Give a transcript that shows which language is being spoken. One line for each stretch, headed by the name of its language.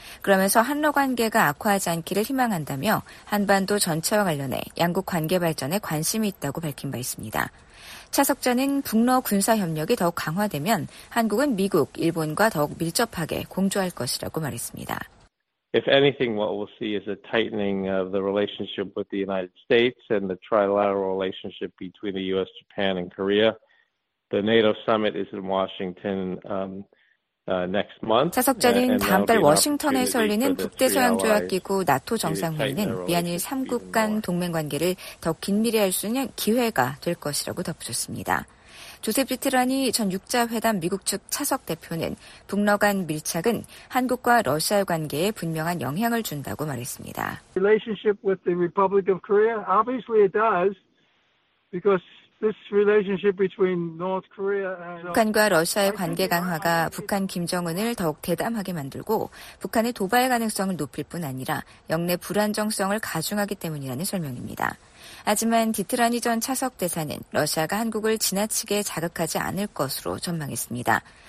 Korean: 그러면서 한러 관계가 악화하지 않기를 희망한다며 한반도 전체와 관련해 양국 관계 발전에 관심이 있다고 밝힌 바 있습니다. 차석자는 북러 군사협력이 더욱 강화되면 한국은 미국, 일본과 더욱 밀접하게 공조할 것이라고 말했습니다.
English: If anything, what we'll see is a tightening of the relationship with the United States and the trilateral relationship between the U.S., Japan, and Korea. The NATO summit is in Washington next month.
Korean: 차석자는 다음 달 워싱턴에서 열리는 북대서양조약기구 나토 정상회의는 미한일 3국 간 동맹관계를 더 긴밀히할 수 있는 기회가 될 것이라고 덧붙였습니다. 조셉 비트라니 전 6자회담 미국 측 차석 대표는 북러 간 밀착은 한국과 러시아 관계에 분명한 영향을 준다고 말했습니다.
English: Relationship with the Republic of Korea, obviously it does, because this relationship between North Korea and
Korean: 북한과 러시아의 관계 강화가 북한 김정은을 더욱 대담하게 만들고 북한의 도발 가능성을 높일 뿐 아니라 영내 불안정성을 가중하기 때문이라는 설명입니다. 하지만 디트라니 전 차석 대사는 러시아가 한국을 지나치게 자극하지 않을 것으로 전망했습니다.